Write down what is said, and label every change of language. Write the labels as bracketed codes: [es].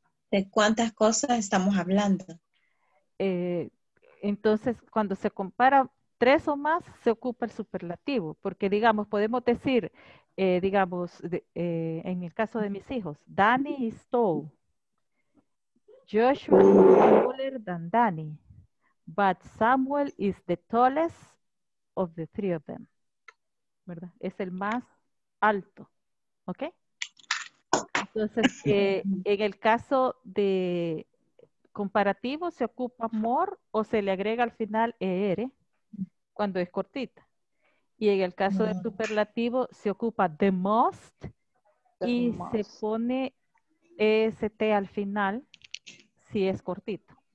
[es] ¿De cuántas cosas estamos hablando? Entonces, cuando se compara tres o más, se ocupa el superlativo. Porque, digamos, podemos decir, digamos, en el caso de mis hijos, Danny y Stowe. [en] Joshua is taller than Danny, but Samuel is the tallest of the three of them. [es] ¿Verdad? Es el más alto. ¿Ok? Entonces, en el caso de comparativo, se ocupa more o se le agrega al final er cuando es cortita. Y en el caso de superlativo, se ocupa the most y se pone est al final. Si es cortito.